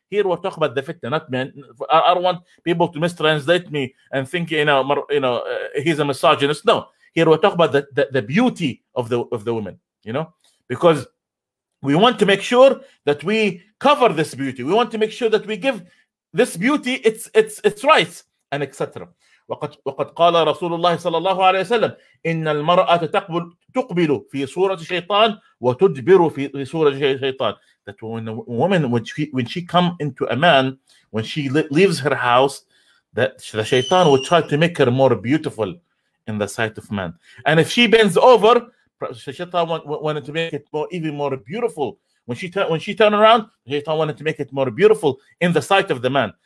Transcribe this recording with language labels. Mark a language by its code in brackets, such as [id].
[en] Here we're talking about the fitna, not men. I don't want people to mistranslate me and think, you know, he's a misogynist. No, here we're talking about the beauty of the women. You know, because we want to make sure that we cover this beauty. We want to make sure that we give this beauty its rights and etc. [ar] وقد قال رسول الله صلى الله عليه وسلم إن المرأة تقبل في صورة شيطان وتدبر في صورة شيطان. [en] That when a woman, when she comes into a man, when she leaves her house, that the shaitan will try to make her more beautiful in the sight of man. And if she bends over, shaitan wanted to make it even more beautiful. When she turned around, shaitan wanted to make it more beautiful in the sight of the man.